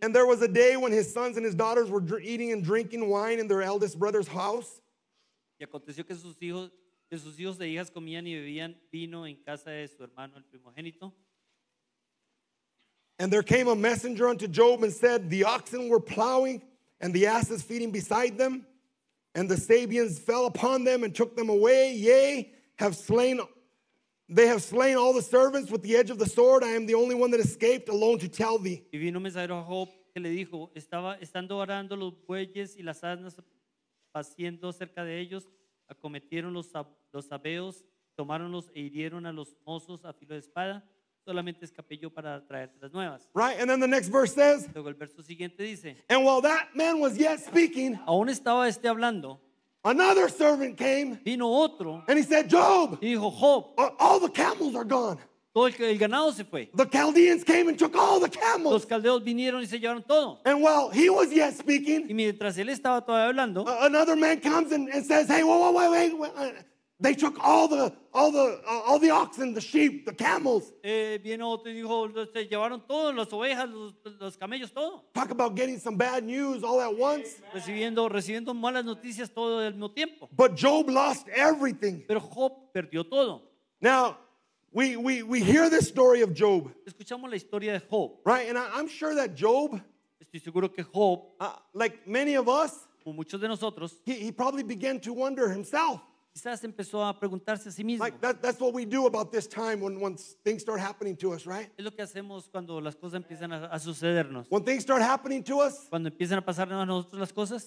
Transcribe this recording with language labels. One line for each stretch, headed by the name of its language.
English: and there was a day when his sons and his daughters were eating and drinking wine in their eldest brother's house.
Spanish: Y aconteció que sus hijos e hijas comían y bebían vino en casa de su hermano el primogénito.
English: And there came a messenger unto Job and said, the oxen were plowing and the asses feeding beside them, and the Sabians fell upon them and took them away. Yea, they have slain all the servants with the edge of the sword. I am the only one that escaped alone to tell thee.
Spanish: Y vino mensajero a Job que le dijo, estaba estando arando los bueyes y las asnas pasiendo cerca de ellos. Acometieron los sabeos, tomáronlos e hirieron a los mozos a filo de espada. Solamente escapé yo para traerte las nuevas.
English: Right, and then the next verse says.
Spanish: Luego el verso siguiente dice.
English: And while that man was yet speaking,
Spanish: aún estaba este hablando.
English: Another servant came.
Spanish: Vino otro.
English: And he said, Job.
Spanish: Dijo Job.
English: All the camels are gone.
Spanish: Todo el ganado se fue.
English: The Chaldeans came and took all the camels.
Spanish: Los caldeos vinieron y se llevaron todo.
English: And while he was yet speaking,
Spanish: y mientras él estaba todavía hablando,
English: another man comes and says, hey, wait. They took all the oxen, the sheep, the camels.
Spanish: Viene otro y dijo, se llevaron todos, las ovejas, los camellos, todo.
English: Talk about getting some bad news all at once.
Spanish: Recibiendo malas noticias todo al mismo tiempo.
English: But Job lost everything.
Spanish: Pero Job perdió todo.
English: Now, We hear this story of Job.
Spanish: Escuchamos la historia de Job.
English: Right, and I'm sure that Job,
Spanish: estoy seguro que Job,
English: like many of us,
Spanish: como muchos de nosotros,
English: he probably began to wonder himself.
Spanish: Quizás empezó a preguntarse a sí mismo.
English: Like that's what we do about this time when things start happening to us, right?
Spanish: Es lo que hacemos cuando las cosas empiezan a sucedernos.
English: When things start happening to us,
Spanish: cuando empiezan a pasarnos a nosotros las cosas.